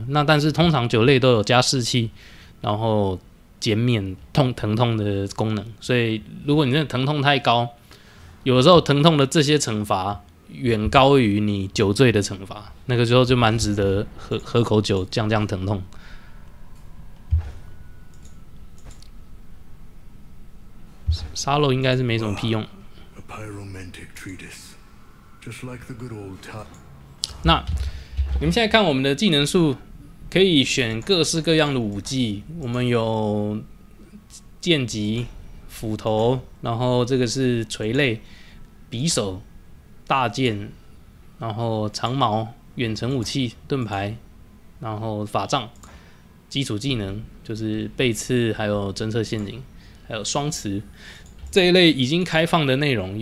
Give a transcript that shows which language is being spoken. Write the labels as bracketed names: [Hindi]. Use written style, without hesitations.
[Chinese] 那但是通常酒类都有加士气，然后减免疼痛的功能，所以如果你的疼痛太高，有的时候疼痛的这些惩罚远高于你酒醉的惩罚，那个时候就蛮值得 喝口酒降降疼痛。沙漏应该是没什么屁用。 [English] A pyromantic treatise, just like the good old time. [Chinese] 那你们现在看我们的技能树，可以选各式各样的武技，我们有剑戟、斧头，然后这个是锤类、匕首、大剑，然后长矛、远程武器、盾牌，然后法杖，基础技能就是背刺，还有侦测陷阱，还有双持这一类已经开放的内容。